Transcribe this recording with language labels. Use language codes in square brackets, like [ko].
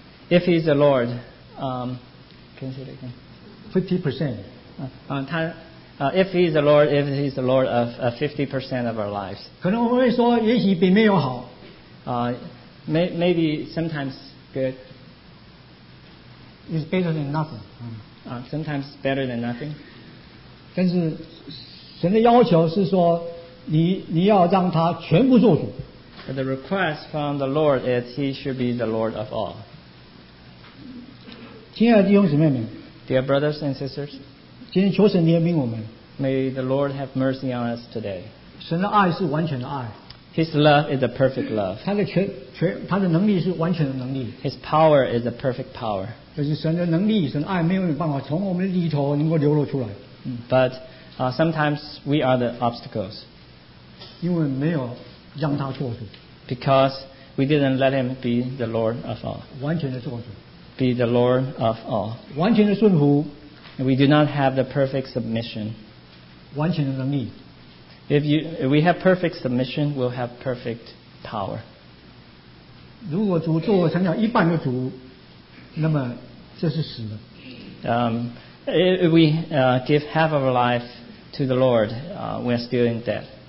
[en] If he's the Lord, can you say it again? 50%. If he's the Lord, if he's the Lord of 50% of our lives. [zh] 可能我们会说，也许比没有好。 [en] Maybe sometimes good. It's better than nothing. Sometimes better than nothing. [zh] 但是神的要求是说，你要让他全部做主。 [en] But the request from the Lord is He should be the Lord of all. [zh] 亲爱的弟兄姊妹们， [en] Dear brothers and sisters, [zh] 今天求神怜悯我们。 [en] May the Lord have mercy on us today. [zh] 神的爱是完全的爱。 [en] His love is a perfect love. [zh] 他的能力是完全的能力。 [en] His power is a perfect power. [zh] 就是神的能力，神的爱没有办法从我们里头能够流露出来。 [en] But sometimes we are the obstacles. [zh] 因为没有让他做主。 [en] Because we didn't let him be the Lord of all. [zh] 完全的做主。 [en] Be the Lord of all. [zh] 完全的顺服。 [en] We do not have the perfect submission. [zh] 完全的能力。 [en] If we have perfect submission, we'll have perfect power. [zh] 如果主做成了一半的主，那么这是死的。 [en] If we give half of our life to the Lord, we're still in debt.